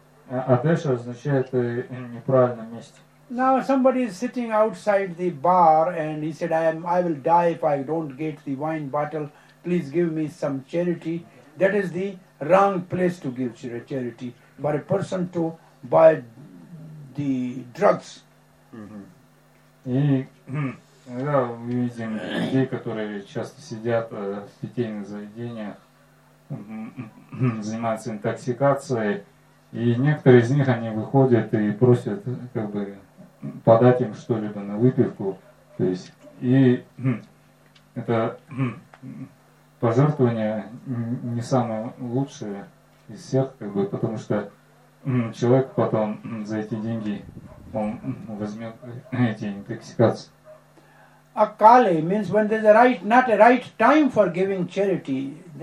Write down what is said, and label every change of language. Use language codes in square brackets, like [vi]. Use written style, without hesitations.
[ru] Адеша означает неправильное место. [en] Now somebody is sitting outside the bar and he said, I will die if I don't get the wine bottle. Please give me some charity. That is the wrong place to give charity. But a person to buy the drugs. Mm-hmm. [ru] И, да, мы видим людей, которые часто сидят в питейных заведениях, занимаются интоксикацией. И некоторые из них, они выходят и просят, как бы, подать им что-либо на выпивку. То есть, и это пожертвование не самое лучшее из всех, как бы, потому что человек потом за эти деньги, он возьмет эти интоксикации. [en] Акали means when there's a right, not a right time for giving charity.